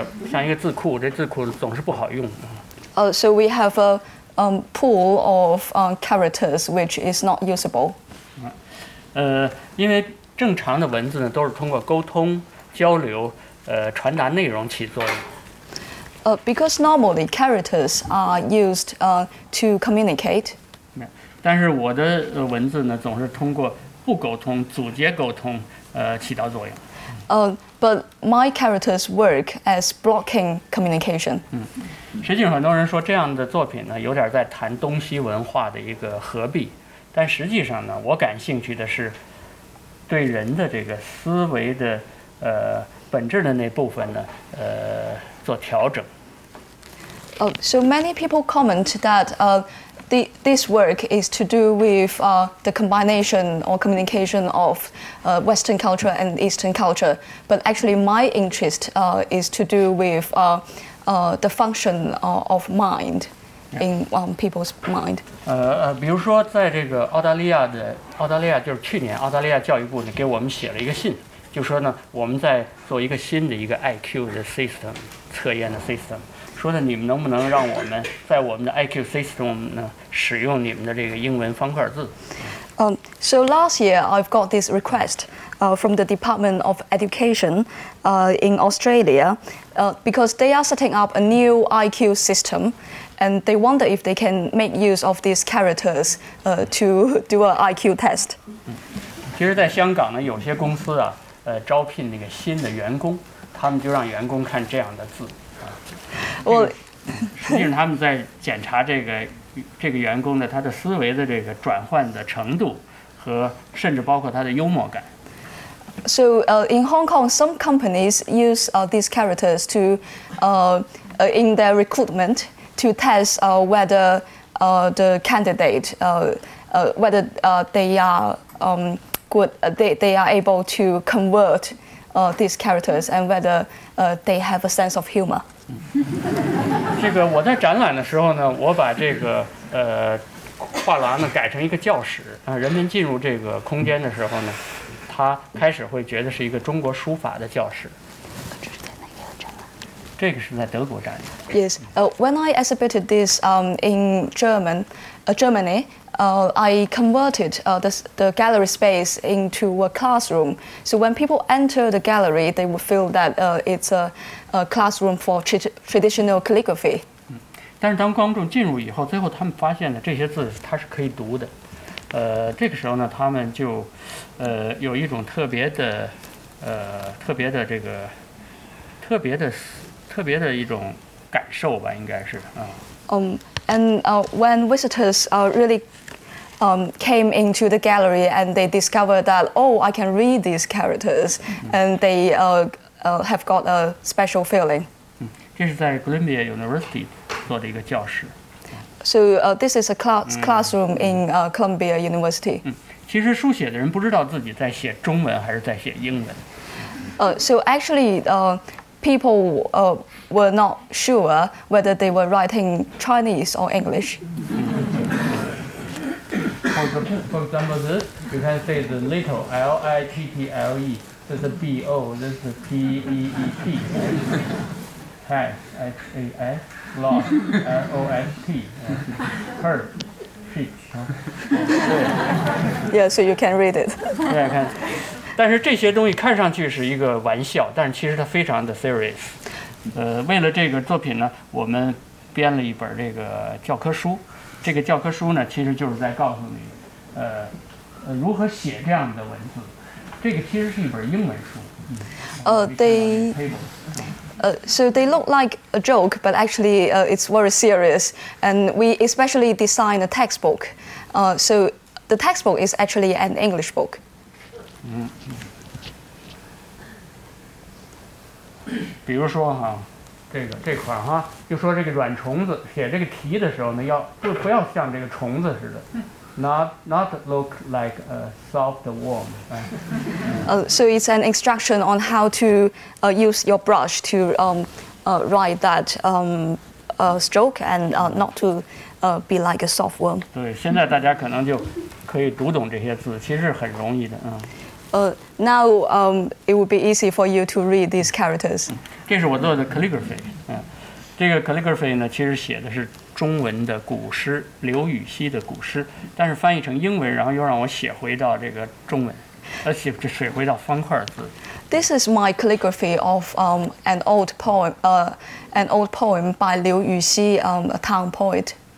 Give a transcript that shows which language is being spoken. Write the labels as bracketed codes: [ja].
[zh] 像一个字库，这字库总是不好用。 [en] So we have a pool of characters which is not usable. [zh] 因为正常的文字呢都是通过沟通交流传达内容起作用。 [en] Because normally characters are used to communicate. [zh] 但是我的文字呢总是通过不沟通阻截沟通起到作用。 [en] But my characters work as blocking communication. [zh] 实际上很多人说这样的作品呢有点在谈东西文化的一个合璧，但实际上呢我感兴趣的是对人的这个思维的本质的那部分呢做调整。 [en] So many people comment that this work is to do with the combination or communication of Western culture and Eastern culture, but actually my interest is to do with the function of mind in people's mind. [zh] 比如说在这个澳大利亚就是去年澳大利亚教育部呢给我们写了一个信，就说呢我们在做一个新的一个 IQ 的 system 测验的 system， 说呢你们能不能让我们在我们的 IQ system 呢使用你们的这个英文方块字。 [en] So last year, I've got this request from the Department of Education in Australia because they are setting up a new IQ system, and they wonder if they can make use of these characters to do an IQ test. [zh] 其实在香港呢，有些公司啊，招聘那个新的员工，他们就让员工看这样的字。 [en] Well, [zh] 实际上他们在检查这个员工的他的思维的这个转换的程度，和甚至包括他的幽默感。 [en] So, in Hong Kong, some companies use these characters to, in their recruitment to test whether the candidate whether they are good, they are able to convert these characters and whether they have a sense of humor. [zh] 这个我在展览的时候呢，我把这个画廊呢改成一个教室啊，人们进入这个空间的时候呢，他开始会觉得是一个中国书法的教室。这个是在德国展的。 [en] Yes, when I exhibited this in Germany. I converted the gallery space into a classroom. So when people enter the gallery, they will feel that it's a classroom for traditional calligraphy. [zh] 但是当观众进入以后，最后他们发现了这些字它是可以读的。这个时候呢，他们就有一种特别的一种感受吧，应该是啊。 [en] And when visitors are really came into the gallery and they discovered that, oh, I can read these characters, and they have got a special feeling. [zh] 这是在 Columbia University 做的一个教室。 [en] So this is a classroom in Columbia University. [zh] 其实书写的人不知道自己在写中文还是在写英文。 [en] So actually, people were not sure whether they were writing Chinese or English. For example, this, you can say the little, L-I-T-T-L-E, this is a B-O, this is a P-E-E-T, hash, H-A-S, log, R-O-S-T, her, she. Yeah, so you can read it. Yeah, I can. [zh] 但是这些东西看上去是一个玩笑，但是其实它非常的 serious。为了这个作品呢，我们编了一本这个教科书。这个教科书呢，其实就是在告诉你，如何写这样的文字。这个其实是一本英文书。 [en] So they look like a joke, but actually, it's very serious. And we especially designed a textbook. So the textbook is actually an English book. [zh] 比如说哈。这块哈，就说这个软虫子写这个题的时候呢，不要像这个虫子似的 ， [en] not look like a soft worm。 So it's an instruction on how to use your brush to write that stroke and not to be like a soft worm。 [zh] 对，现在大家可能就可以读懂这些字，其实很容易的啊。 [en] Now it would be easy for you to read these characters. [zh] 这是我做的 calligraphy。这个 calligraphy 呢，其实写的是中文的古诗，刘禹锡的古诗，但是翻译成英文，然后又让我写回到这个中文，写回到方块字。 [en] This is my calligraphy of an old poem, an old poem by 刘禹锡, a town poet.